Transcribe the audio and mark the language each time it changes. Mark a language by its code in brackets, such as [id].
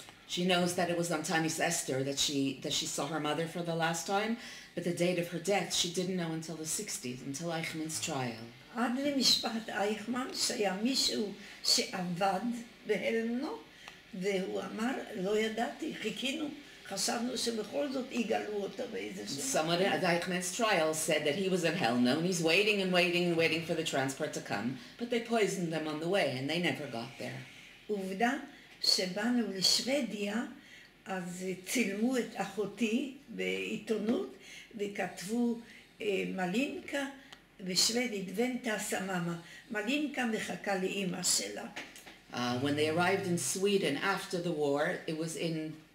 [en] She knows that it was on Tanis Esther that she saw her mother for the last time, but the date of her death she didn't know until the 60s, until Eichmann's trial. [he] עד למשפט אייכמן שהיה מישהו שעבד בהלמנו, והוא אמר, לא ידעתי, חיכינו. חשבנו שבכל זאת יגלו אותה באיזשהו... [en] Someone at Eichmann's trial said that he was in hell now, and he's waiting and waiting and waiting for the transport to come, but they poisoned them on the way, and they never got there. [he] עובדה שבאנו לשוודיה, אז צילמו את אחותי בעיתונות, וכתבו מלינקה בשוודית, ונטה סממה. מלינקה מחכה לאימא שלה. [en] When they arrived in Sweden after the war, it was in...